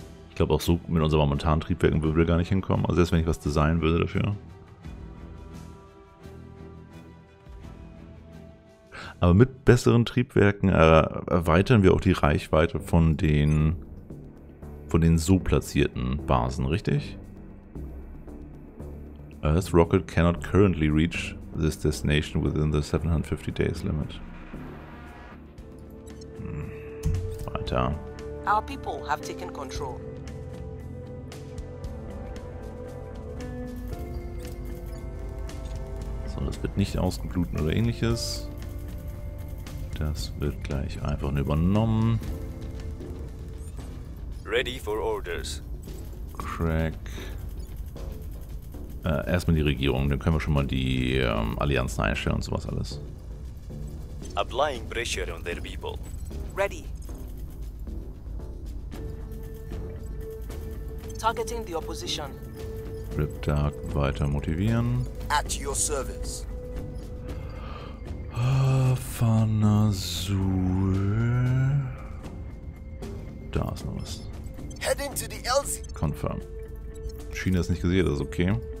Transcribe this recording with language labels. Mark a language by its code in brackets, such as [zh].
[de] Ich glaube auch so mit unseren momentanen Triebwerken würden wir gar nicht hinkommen. Also selbst wenn ich was designen würde dafür. Aber mit besseren Triebwerken erweitern wir auch die Reichweite von den so platzierten Basen, richtig? [en] Earth Rocket cannot currently reach this destination within the 750 days limit. [de] Weiter. [en] Our people have taken control. [de] So, das wird nicht ausgebluten oder ähnliches. Das wird gleich einfach übernommen. [en] Ready for orders. Crack. [de] Erstmal die Regierung, dann können wir schon mal die Allianzen einstellen und sowas alles. [en] Applying pressure on their people. Ready. Targeting the opposition. [de] Ripdark weiter motivieren. [en] At your service. [de] Fanazul. Da ist noch was. [en] Head into the LZ. Confirm. [de] China ist nicht gesehen, das ist okay.